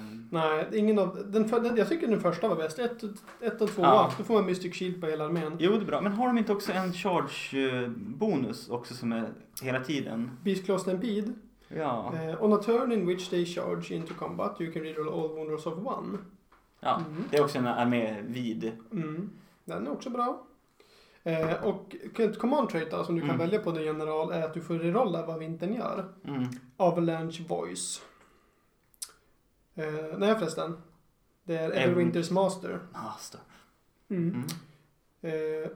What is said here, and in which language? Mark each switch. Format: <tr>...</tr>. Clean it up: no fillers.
<sv>Nej, ingen av jag tycker den första var bäst. 1 och 2, då får man Mystic Shield på hela armén. Jo, det är bra, men har de inte också en charge bonus också som är hela tiden?</sv> <en>Beast Claw Stampede.</en> <sv>Ja.</sv> <en>On a turn in which they charge into combat, you can reroll all wounds of one.</en> <sv>Ja, mm. Det är också en armé vid. Mm. Den är också bra. Och ett command trait som du kan välja på din general är att du får rerolla vad vintern gör. Mm.</sv> <en>Avalanche voice.</en> <sv>Nej, förresten. Det är Everwinter's Master.</sv> <en>Master. Mm. Mm.</en>